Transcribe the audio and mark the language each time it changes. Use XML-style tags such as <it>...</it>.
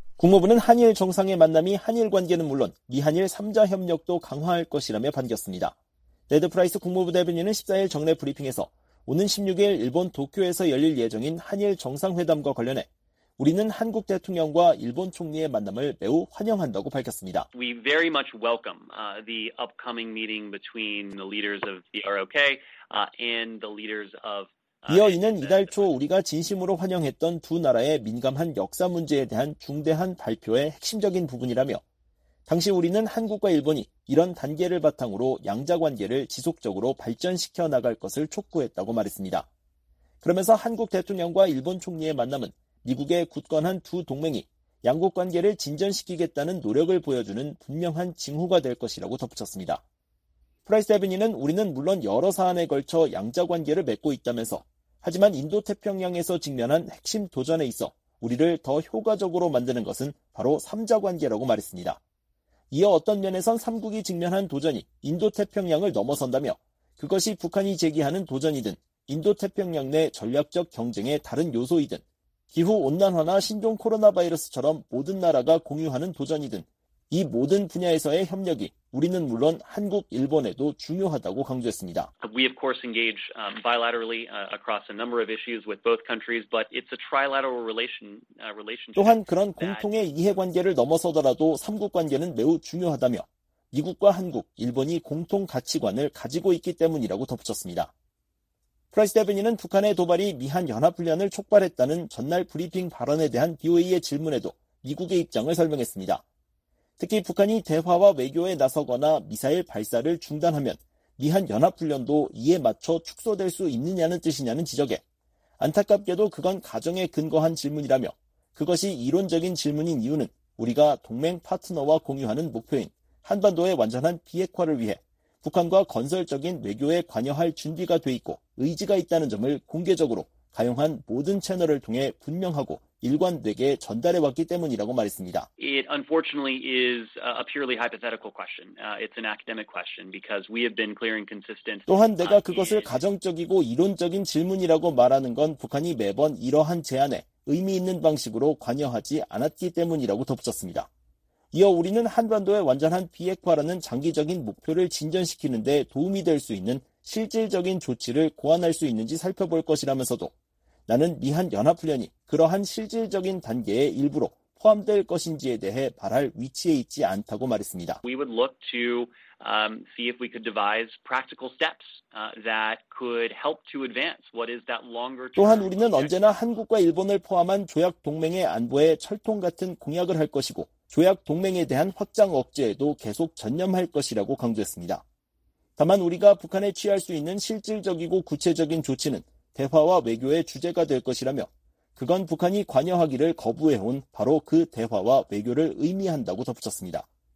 <ko>국무부는 한일 정상의 만남이 한일 관계는 물론 미한일 3자 협력도 강화할 것이라며 반겼습니다. 레드 프라이스 국무부 대변인은 14일 정례 브리핑에서 오는 16일 일본 도쿄에서 열릴 예정인 한일 정상회담과 관련해 우리는 한국 대통령과 일본 총리의 만남을 매우 환영한다고 밝혔습니다.</ko> <en>We very much welcome the upcoming meeting between the leaders of the ROK and the leaders of</en> <ko>이어 이는 이달 초 우리가 진심으로 환영했던 두 나라의 민감한 역사 문제에 대한 중대한 발표의 핵심적인 부분이라며 당시 우리는 한국과 일본이 이런 단계를 바탕으로 양자관계를 지속적으로 발전시켜 나갈 것을 촉구했다고 말했습니다. 그러면서 한국 대통령과 일본 총리의 만남은 미국의 굳건한 두 동맹이 양국 관계를 진전시키겠다는 노력을 보여주는 분명한 징후가 될 것이라고 덧붙였습니다. 프라이스 대변인은 우리는 물론 여러 사안에 걸쳐 양자관계를 맺고 있다면서 하지만 인도태평양에서 직면한 핵심 도전에 있어 우리를 더 효과적으로 만드는 것은 바로 삼자관계라고 말했습니다. 이어 어떤 면에선 삼국이 직면한 도전이 인도태평양을 넘어선다며 그것이 북한이 제기하는 도전이든 인도태평양 내 전략적 경쟁의 다른 요소이든 기후 온난화나 신종 코로나 바이러스처럼 모든 나라가 공유하는 도전이든 이 모든 분야에서의 협력이 우리는 물론 한국, 일본에도 중요하다고 강조했습니다.</ko> <en>We of course engage bilaterally across a number of issues with both countries, but it's a trilateral relationship.</en> <ko>또한 그런 공통의 이해관계를 넘어서더라도 삼국 관계는 매우 중요하다며 미국과 한국, 일본이 공통 가치관을 가지고 있기 때문이라고 덧붙였습니다. 프라이스 대변인은 북한의 도발이 미한 연합훈련을 촉발했다는 전날 브리핑 발언에 대한 BOA의 질문에도 미국의 입장을 설명했습니다. 특히 북한이 대화와 외교에 나서거나 미사일 발사를 중단하면 미한 연합훈련도 이에 맞춰 축소될 수 있느냐는 뜻이냐는 지적에 안타깝게도 그건 가정에 근거한 질문이라며 그것이 이론적인 질문인 이유는 우리가 동맹 파트너와 공유하는 목표인 한반도의 완전한 비핵화를 위해 북한과 건설적인 외교에 관여할 준비가 돼 있고 의지가 있다는 점을 공개적으로 가용한 모든 채널을 통해 분명하고 일관되게 전달해왔기 때문이라고 말했습니다.</ko> <en>It unfortunately is a purely hypothetical question. It's an academic question because we have been clear and consistent.</en> <ko>또한 내가 그것을 가정적이고 이론적인 질문이라고 말하는 건 북한이 매번 이러한 제안에 의미 있는 방식으로 관여하지 않았기 때문이라고 덧붙였습니다. 이어 우리는 한반도의 완전한 비핵화라는 장기적인 목표를 진전시키는 데 도움이 될 수 있는 실질적인 조치를 고안할 수 있는지 살펴볼 것이라면서도 나는 미한 연합훈련이 그러한 실질적인 단계의 일부로 포함될 것인지에 대해 말할 위치에 있지 않다고 말했습니다.</ko> <en>We would look to see if we could devise practical steps that could help to advance what is that longer term.</en> <ko>또한 우리는 언제나 한국과 일본을 포함한 조약 동맹의 안보에 철통 같은 공약을 할 것이고 조약 동맹에 대한 확장 억제에도 계속 전념할 것이라고 강조했습니다. 다만 우리가 북한에 취할 수 있는 실질적이고 구체적인 조치는 대화와 외교의 주제가 될 것이라며 그건 북한이 관여하기를 거부해온 바로 그 대화와 외교를 의미한다고 덧붙였습니다.</ko>